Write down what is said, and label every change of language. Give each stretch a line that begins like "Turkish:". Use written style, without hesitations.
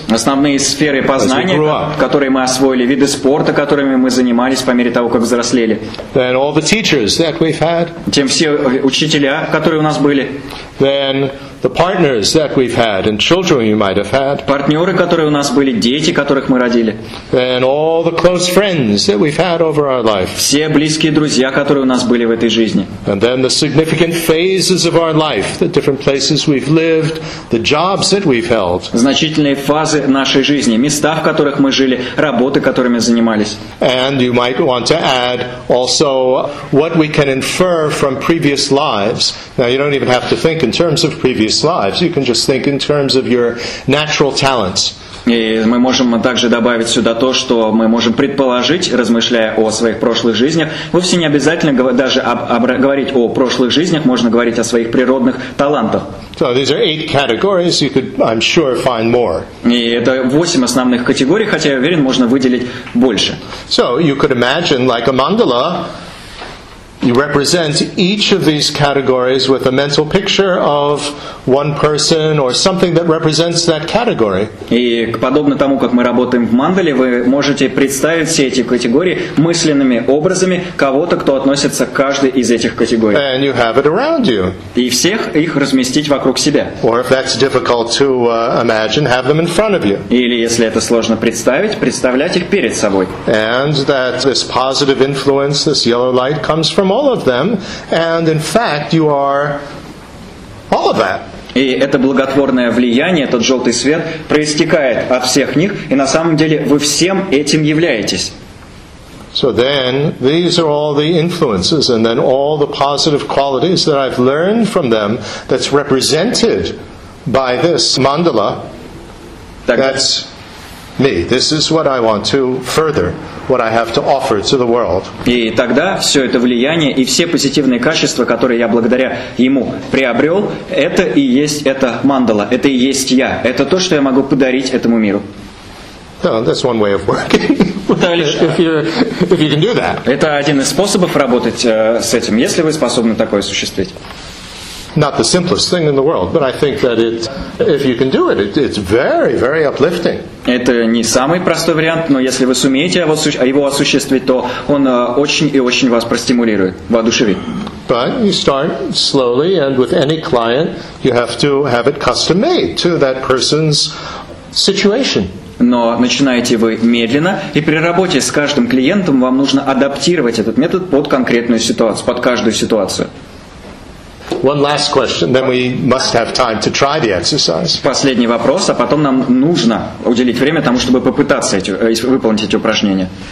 Russian: основные сферы познания, которые мы освоили, виды спорта, которыми мы занимались по мере того, как взрослели.
English: Then all the teachers that we've had.
Russian: Тем все учителя, которые у нас были.
English: Then the partners that we've had and children you might have had.
Russian: Партнеры, которые у нас были, дети, которых мы родили.
English: Then all the close friends that we've had over our life.
Russian: Все близкие друзья, которые у нас были в этой жизни.
English: And then the significant phases of our life, the different places we've lived, the jobs that we've held.
Russian: Значительные фазы нашей жизни, места, в которых мы жили, работы, которыми занимались.
English: And you might want to add also what we can infer from previous lives. Now you don't even have to think in terms of previous lives. You can just think in terms of your natural talents.
Russian: И мы можем также добавить сюда то, что мы можем предположить, размышляя о своих прошлых жизнях. Вовсе не обязательно даже говорить о прошлых жизнях, можно говорить о своих природных талантах.
English: So these are eight categories. You could, I'm sure, find more.
Russian: И это восемь основных категорий, хотя я уверен, можно выделить больше.
English: So you could imagine, like a mandala, you represent each of these categories with a mental picture of one person or something that represents that category.
Russian: И подобно тому, как мы работаем в мандале, вы можете представить все эти категории мысленными образами кого-то, кто относится к каждой из этих категорий.
English: And you have it around you.
Russian: И всех их разместить вокруг себя.
English: Or if that's difficult to imagine, have them in front of you.
Russian: Или если это сложно представить, представлять их перед собой.
English: And that this positive influence, this yellow light, comes from all of them, and in fact, you are all of that.
Russian: И это благотворное влияние, этот желтый свет, проистекает от всех них, и на самом деле вы всем этим являетесь.
English: So then, these are all the influences, and then all the positive qualities that I've learned from them. That's represented by this mandala. That's me. This is what I want to further. What I have to offer to the world.
Russian: И тогда все это влияние и все позитивные качества, которые я благодаря ему приобрел, это и есть эта мандала, это и есть я, это то, что я могу подарить этому миру.
English: Oh, that's one way of working. if you can do that.
Russian: Это один из способов работать с этим, если вы способны такое осуществить.
English: Not the simplest thing in the world, but I think that it, if you can do it, it's very, very uplifting.
Russian: Это не самый простой вариант, но если вы сумеете его осуществить, то он очень и очень вас простимулирует, воодушевит.
English: But you start slowly, and with any client, you have to have it custom made to that person's situation.
Russian: Но начинаете вы медленно, и при работе с каждым клиентом вам нужно адаптировать этот метод под конкретную ситуацию, под каждую ситуацию.
English: One last question, then we must have time to try the exercise.
Russian: Последний вопрос, а потом нам нужно уделить время тому, чтобы попытаться выполнить эти упражнения.